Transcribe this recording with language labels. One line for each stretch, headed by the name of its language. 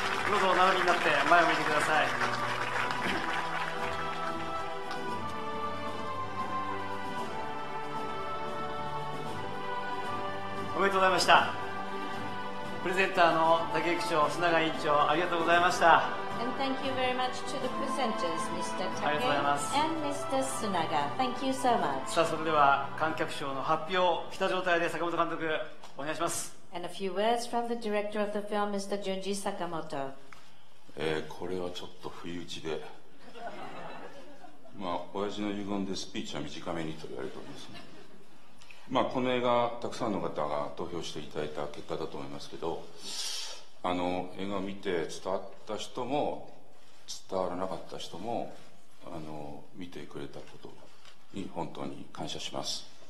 Japanese: どうぞお並びになって前を向いてください。おめでとうございました。プレゼンターの武井区長、須永委員長、ありがとうございました。
English: And thank you very much to the presenters, Mr. Take and Mr. Sunaga. Thank you so much.
Japanese: さあ、それでは観客賞の発表を来た状態で坂本監督お願いします。
English: And a few words from the director of the film, Mr. Junji Sakamoto.
Japanese: これはちょっと不意打ちで、まあ親父の遺言でスピーチは短めにと言われております、ね。まあ、この映画、たくさんの方が投票していただいた結果だと思いますけど、あの映画を見て伝わった人も伝わらなかった人も、あの見てくれたことに本当に感謝します。